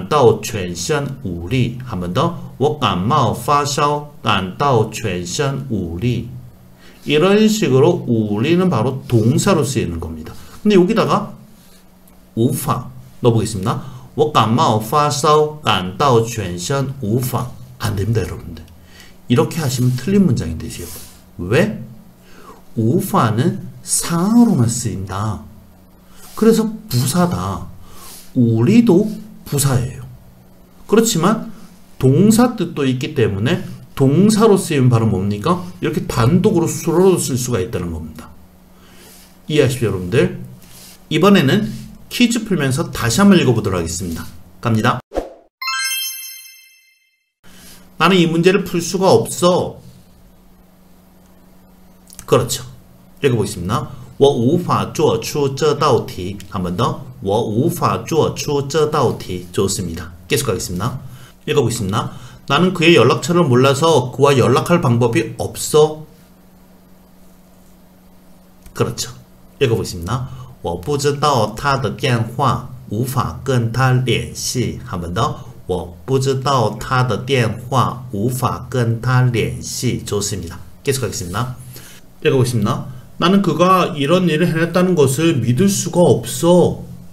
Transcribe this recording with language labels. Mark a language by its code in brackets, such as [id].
[zh] 我感冒发烧感到全身无力. [ko] 한 번 더. [zh] 我感冒发烧感到全身无力. [ko] 이런 식으로 우리는 바로 동사로 쓰이는 겁니다. 근데 여기다가 우파 넣어보겠습니다. [zh] 我感冒发烧感到全身无法. [ko] 안 됩니다, 여러분들. 이렇게 하시면 틀린 문장이 되세요. 왜? 우파는 상으로만 쓰인다. 그래서 부사다. 우리도 부사예요. 그렇지만 동사 뜻도 있기 때문에 동사로 쓰이면 바로 뭡니까? 이렇게 단독으로 수로로 쓸 수가 있다는 겁니다. 이해하십시오, 여러분들. 이번에는 퀴즈 풀면서 다시 한번 읽어보도록 하겠습니다. 갑니다. 나는 이 문제를 풀 수가 없어. 그렇죠. 읽어보겠습니다. [zh] 我无法做出这道题. [ko] 한 번 더. [zh] 我无法做出这道题. [ko] 좋습니다. 계속하겠습니다. 읽어보겠습니다. 나는 그의 연락처를 몰라서 그와 연락할 방법이 없어. 그렇죠. 읽어보겠습니다. [zh] 我不知道他的电话，无法跟他联系. [ko] 한 번 더. [zh] 我不知道他的电话，无法跟他联系. [ko] 좋습니다. 계속하겠습니다. 읽어보겠습니다. 나는 그가 이런 일을 해냈다는 것을 믿을 수가 없어.